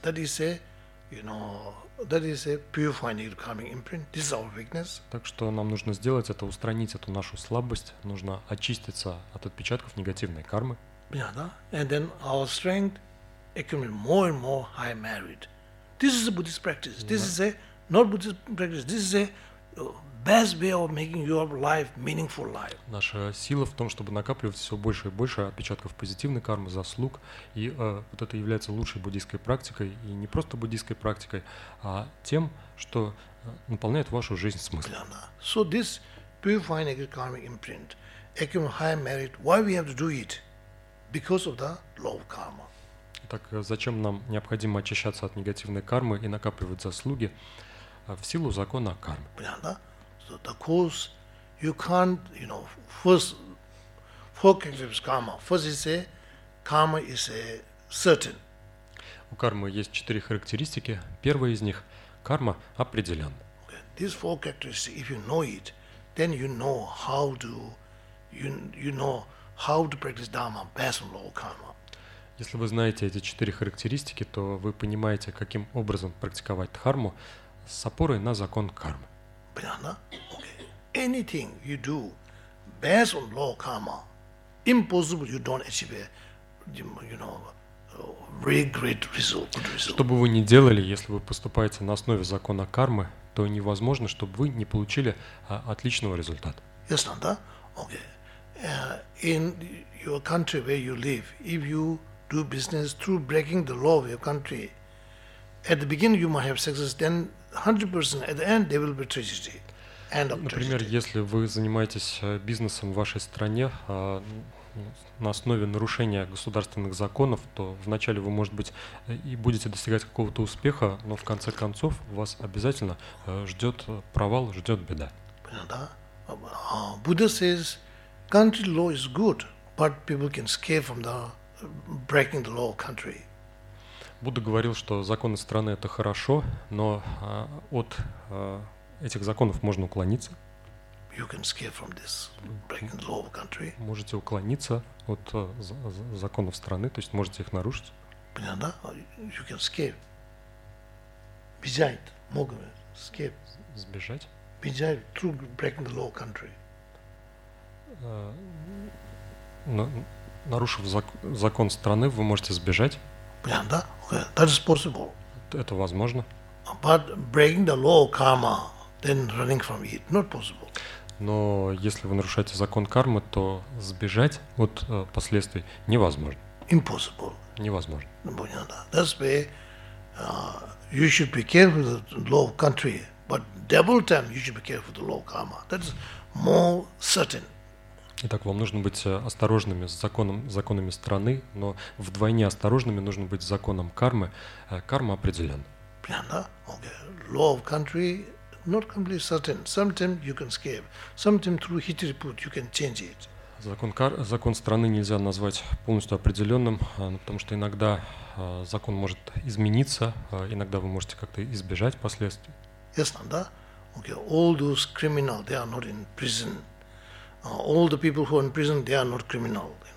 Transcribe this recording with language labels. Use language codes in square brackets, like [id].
[en] That is a, you know, that is a purifying negative karmic imprint. This is our weakness. [ru] Так что нам нужно сделать это, устранить эту нашу слабость. Нужно очиститься от отпечатков негативной кармы. Понятно? [en] And then our strength accumulate more and more high merit. This is a Buddhist practice. This is a not Buddhist practice. This is a best way of making your life meaningful life. [ru] Наша сила в том, чтобы накапливать все больше и больше отпечатков позитивной кармы, заслуг, и вот это является лучшей буддийской практикой, и не просто буддийской практикой, а тем, что наполняет вашу жизнь смыслом. Понятно? [en] So this purifying negative karmic imprint accumulate high merit. Why we have to do it? Because of the law of karma. [ru] Так зачем нам необходимо очищаться от негативной кармы и накапливать заслуги? В силу закона кармы. Понятно? [en] So the cause, you can't, you know, first, four categories of karma. First is a, karma is a certain. [ru] У кармы есть четыре характеристики. Первая из них, карма определен. [en] Okay. These four characteristics, if you know it, then you know how to, you know, how to practice dharma based on law of karma. [ru] Если вы знаете эти четыре характеристики, то вы понимаете, каким образом практиковать дхарму с опорой на закон кармы. Понятно? Okay. [en] Anything you do based on law of karma, impossible you don't achieve a, you know, very great result. [ru] Что бы вы ни делали, если вы поступаете на основе закона кармы, то невозможно, чтобы вы не получили отличного результата. Ясно, да? Okay. [en] In your country where you live, if you do business through breaking the law of your country, at the beginning you might have success, then 100% at the end there will be tragedy. End of tragedy. [ru] Например, если вы занимаетесь бизнесом в вашей стране на основе нарушения государственных законов, то вначале вы, может быть, и будете достигать какого-то успеха, но в конце концов вас обязательно ждет провал, ждет беда. Понятно. [en] Buddha says, country law is good, but people can escape from the breaking the law of country. [ru] Будда говорил, что законы страны это хорошо, но от этих законов можно уклониться. [en] You can escape from this breaking the law of country. [ru] Можете уклониться от законов страны, то есть можете их нарушить. Понятно? [en] You can escape. [ru] Бежать, могу [en] escape. [ru] Сбежать. Бежать [en] through breaking the law of country. [ru] Нарушив закон страны, вы можете сбежать. Понятно, да? [en] Okay. That is possible. [ru] Это возможно. [en] But breaking the law of karma, then running from it, not possible. [ru] Но если вы нарушаете закон кармы, то сбежать от последствий невозможно. [en] Impossible. [ru] Невозможно. Понятно, да? [en] That's why you should be careful with the law of country, but double time you should be careful with the law of karma. That is more certain. [ru] Итак, вам нужно быть осторожными с законами страны, но вдвойне осторожными нужно быть с законом кармы. Карма определен. Понятно? [en] Okay. Law of country, not completely certain. Sometimes you can escape. Sometimes through hitriput you can change it. [ru] Закон страны нельзя назвать полностью определенным, потому что иногда закон может измениться, иногда вы можете как-то избежать последствий. [en] Yes, [ru] да? [en] Okay. All those criminals, they are not in prison. All the people who are in prison, they are not criminal.